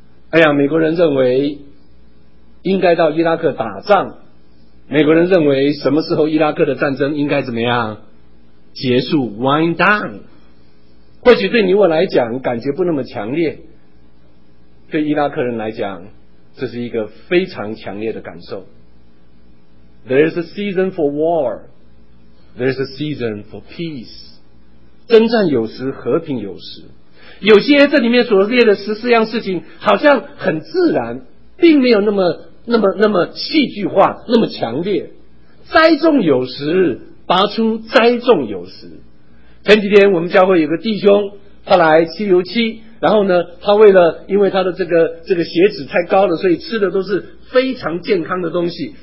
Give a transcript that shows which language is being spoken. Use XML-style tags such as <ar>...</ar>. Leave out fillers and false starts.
<zh>哎呀，美国人认为应该到伊拉克打仗，美国人认为什么时候伊拉克的战争应该怎么样结束 wind down。或许对你我来讲感觉不那么强烈，对伊拉克人来讲这是一个非常强烈的感受。</zh> <en>There is a season for war, There is a season for peace。</en> <zh>征战有时，和平有时。有些这里面所列的14样事情好像很自然，并没有那么戏剧化，那么强烈。栽种有时，拔出栽种有时。前几天我们教会有个弟兄，他来七油七，然后呢他为了因为他的这个血脂太高了，所以吃的都是非常健康的东西。</zh>